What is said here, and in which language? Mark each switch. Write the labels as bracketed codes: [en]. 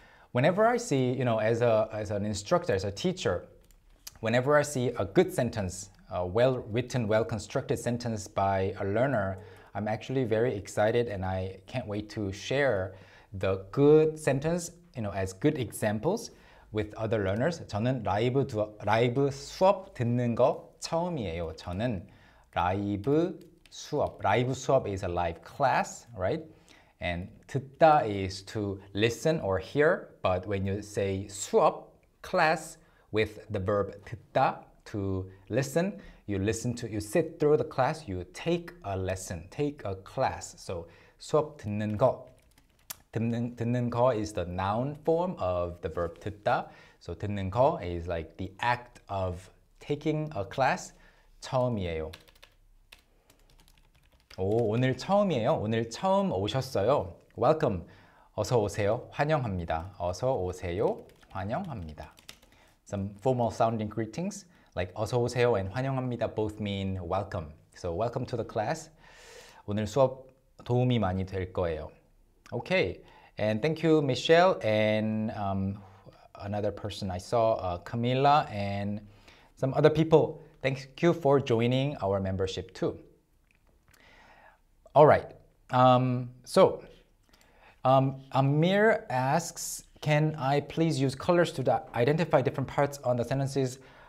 [en] Whenever I see, you know, as an instructor, as a teacher, whenever I see a good sentence, a well-written, well-constructed sentence by a learner, I'm actually very excited and I can't wait to share the good sentence you know, as good examples with other learners. [ko] 저는 라이브 수업 듣는 거 처음이에요. 저는 라이브 수업. [en] Live 수업 is a live class, right? And 듣다 is to listen or hear. But when you say 수업, class, with the verb 듣다, to listen, you listen to, you sit through the class, you take a lesson, take a class. So 수업 듣는 거. 듣는 거 is the noun form of the verb 듣다. So 듣는 거 is like the act of taking a class. [ko] 처음이에요. 오, 오늘 처음이에요. 오늘 처음 오셨어요. Welcome. 어서 오세요. 환영합니다. 어서 오세요. 환영합니다. [en] Some formal sounding greetings like 어서 오세요 and 환영합니다 both mean welcome. So welcome to the class. [ko] 오늘 수업 도움이 많이 될 거예요. [en] Okay, and thank you, Michelle, and another person I saw, Camilla, and some other people. Thank you for joining our membership too. All right, so Amir asks, can I please use colors to identify different parts on the sentences?